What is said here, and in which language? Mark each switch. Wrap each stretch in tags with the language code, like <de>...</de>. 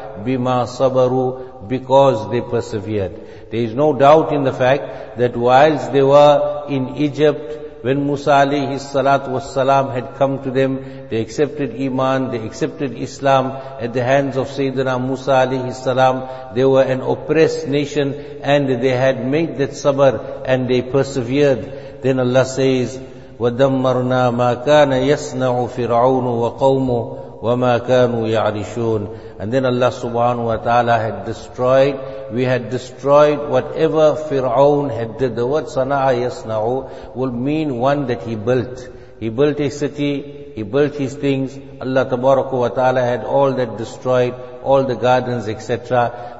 <ar>Bima sabaru,</ar> <en>because they persevered. There is no doubt in the fact that whilst they were in Egypt, when Musa alayhi salatu wasalam had come to them, they accepted Iman, they accepted Islam at the hands of Sayyidina Musa alayhi salam. They were an oppressed nation and they had made that sabr and they persevered. Then Allah says,</en> <ar>وَدَمَّرْنَا مَا كَانَ يَسْنَعُ فِرْعَوْنُ وَقَوْمُهُ وَمَا كَانُوا يَعْرِشُونَ.</ar> <en>And then Allah subhanahu wa ta'ala had destroyed, we had destroyed whatever Fir'aun had did. The word sana'a yasna'u will mean one that he built. He built a city, he built his things, Allah tabaraka wa ta'ala had all that destroyed, all the gardens, etc.</en>